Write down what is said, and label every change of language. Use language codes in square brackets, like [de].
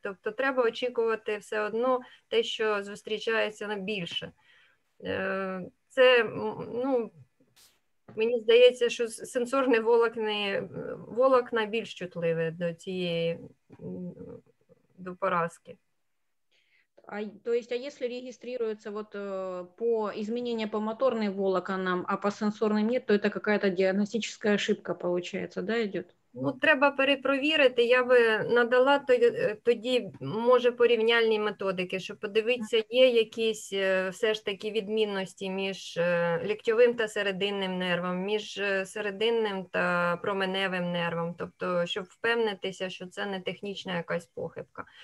[uk] Тобто треба очікувати все одно те, що зустрічається найбільше. Це, ну, мені здається, що сенсорні волокна більш чутливі до цієї, до поразки. [ru] А, то есть, а если регистрируется вот по изменению по моторным волоканам, а по сенсорным нет, то это какая-то диагностическая ошибка получается, да, идет? [uk] Ну, треба перепровірити. Я би надала тоді, може, порівняльні методики, щоб подивитися, є якісь все ж таки відмінності між ліктьовим та серединним нервом, між серединним та променевим нервом, тобто, щоб впевнитися, що це не технічна якась похибка.